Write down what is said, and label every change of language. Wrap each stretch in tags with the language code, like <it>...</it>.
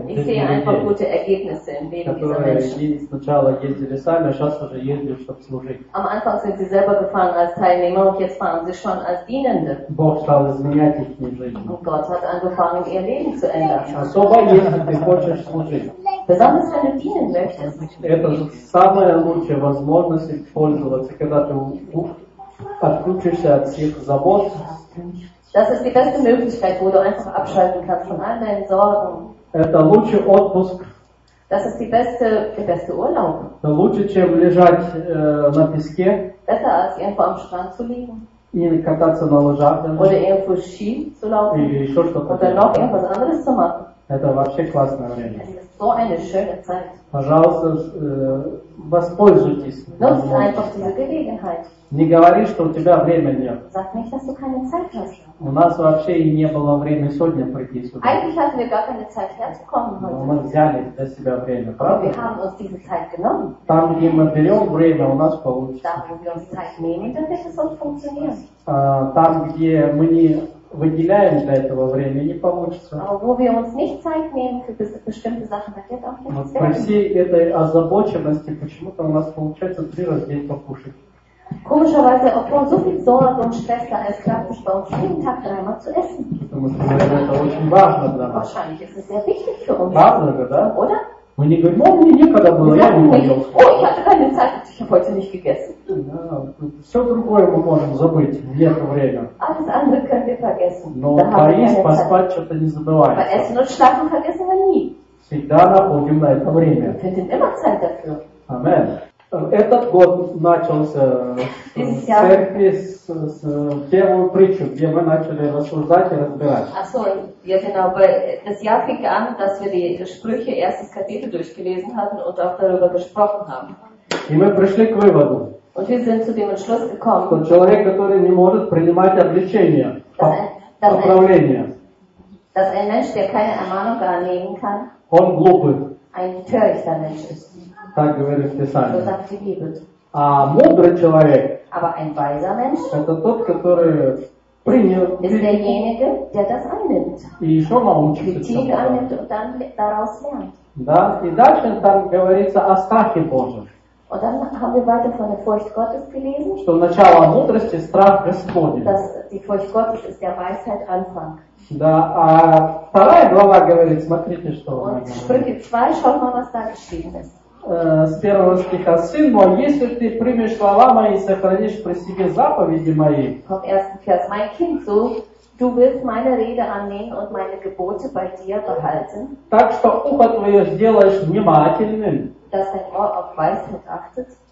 <de>Ich sehe einfach gute Ergebnisse im Leben dieser Menschen.</de> <ru>Которые сначала ездили сами, а сейчас уже ездят, чтобы служить.</ru> <de>Am Anfang sind sie selber gefahren als Teilnehmer und jetzt fahren sie schon als Dienende.</de> <ru>Бог стал изменять их жизнь.</ru> <de>Und Gott hat angefangen, ihr Leben zu ändern.</de> <ru>Особо если ты хочешь служить.</ru> <de>Besonders wenn du dienen möchtest.</de> <ru>Это самая лучшая возможность использоваться, когда ты отключишься от всех забот.</ru> <de>Das ist die beste Möglichkeit, wo du einfach abschalten kannst von all deinen Sorgen.</de> <ru>Это лучший отпуск.</ru> <de>Das ist der beste Urlaub.</de> <ru>Это лучше, чем лежать на песке.</ru> <de>Besser als irgendwo am Strand zu liegen.</de> <ru>Или кататься на лыжах.</ru> <de>Oder irgendwo Ski zu laufen.</de> <ru>Или еще что-то.</ru> <de>Oder noch irgendwas anderes zu machen.</de> <ru>Это вообще классное время.</ru> <de>Es ist so eine schöne Zeit.</de> <ru>Пожалуйста, воспользуйтесь.</ru> <de>Nutzt einfach diese Gelegenheit.</de> <ru>Не говори, что у тебя время нет.</ru> <de>Sag nicht, dass du keine Zeit hast.</de> <ru>У нас вообще и не было времени сегодня прийти сюда.</ru> <de>Eigentlich hatten wir gar keine Zeit herzukommen heute.</de> <ru>Но мы взяли для себя время, правда?</ru> <de>Wir haben uns diese Zeit genommen.</de> <ru>Там, где мы берем время, у нас получится.</ru> <de>Da, wo wir uns Zeit nehmen, dann wird es auch funktionieren.</de> <ru>Там, где мы не выделяем для этого время, не получится.</ru> <de>А wo wir uns nicht Zeit nehmen für bestimmte Sachen, wird auch nicht funktionieren.</de> <ru>Вот, при всей этой озабоченности почему-то у нас получается 3 раза в день покушать.</ru> <de>Komischerweise, obwohl so viel Sorge und Stress da ist, klappt es bei uns jeden Tag 3-mal zu essen. Wahrscheinlich ist es sehr wichtig für uns. Oder?</de> <ru>Мы не говорим, мне некогда было, я не могу. Ой, я не знаю, ты что хочешь, нечего есть. Все другое мы можем забыть, нет времени. А с Андреем как я погасил? Но поесть, поспать что-то не забывается. Поесть, но штаб мы погасил они. Всегда находим на это время.</ru> <de>Findet immer Zeit dafür. Amen.</de> <ru>Этот год начался с церкви, с первую притчу, где мы начали рассуждать и разбирать.</ru> <de>Also, ja genau, weil das Jahr fing an, dass wir die Sprüche, erstes Kapitel durchgelesen hatten und auch darüber gesprochen haben.</de> <ru>И мы пришли к выводу.</ru> <de>Und wir sind zu dem Entschluss gekommen.</de> <ru>Что человек, который не может принимать обличение. поправления.</ru> <de>Dass ein Mensch, der keine Ermahnung annehmen kann,</de> <ru>он глупый.</ru> <de>Ein törichter Mensch ist.</de> <ru>Так говорит Писание.</ru> <de>So sagt die Bibel.</de> <ru>А мудрый человек,</ru> <de>aber ein weiser Mensch,</de> <ru>это тот, который принял,</ru> <de>ist derjenige, der das annimmt.</de> <ru>И еще научится.</ru> <de>Kritik annimmt und dann daraus lernt.</de> <ru>Да, и дальше там говорится о страхе Божьем.</ru> <de>Und dann haben wir weiter von der Furcht Gottes gelesen.</de> <ru>Что начало мудрости страх Господень.</ru> <de>Dass die Furcht Gottes ist der Weisheit Anfang.</de> <ru>Да, а вторая глава говорит, смотрите, что она говорит.</ru> <de>Sprüche 2, schau mal, was da geschrieben ist.</de> <ru>С первого стиха. Сын мой, если ты примешь слова мои и сохранишь при себе заповеди мои.</ru> <de>Vom ersten Vers. Mein Kind, so, du willst meine Rede annehmen und meine Gebote bei dir behalten.</de> <ru>Так что ухо твое сделаешь внимательным.</ru> <de>Dass dein Ohr auf Weisheit achtet.</de>